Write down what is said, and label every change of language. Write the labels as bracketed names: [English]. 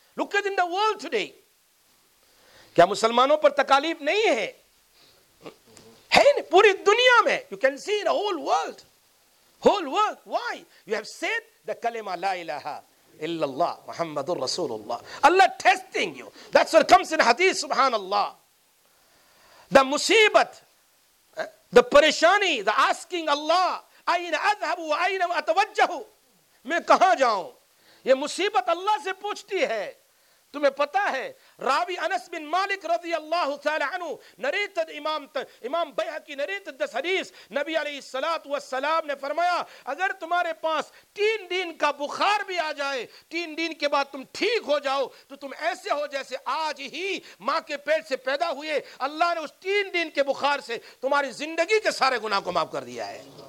[English] look at in the world today, [Urdu] کیا مسلمانوں پر تکالیف نہیں ہے؟ ہے نا, پوری دنیا میں. [English] You can see the whole world, whole world. Why? You have said the kalma [Arabic] لا الہ الا اللہ محمد رسول اللہ. [English] اللہ testing you, that's what comes in حدیث. [Arabic] سبحان اللہ. [Urdu] دا مصیبت, دا پریشانی, [English] the asking [Urdu] اللہ [Arabic] این اذهب و این اتوجه, [Urdu] میں کہاں جاؤں, یہ مصیبت اللہ سے پوچھتی ہے. تمہیں پتا ہے راوی انس بن مالک رضی اللہ تعالی عنہ, [English] narrated Imam Bayhaqi narrated this hadith, [Urdu] نبی علیہ الصلات والسلام نے فرمایا اگر تمہارے پاس 3 دن کا بخار بھی آ جائے, 3 دن کے بعد تم ٹھیک ہو جاؤ تو تم ایسے ہو جیسے آج ہی ماں کے پیٹ سے پیدا ہوئے, اللہ نے اس 3 دن کے بخار سے تمہاری زندگی کے سارے گناہ کو معاف کر دیا ہے.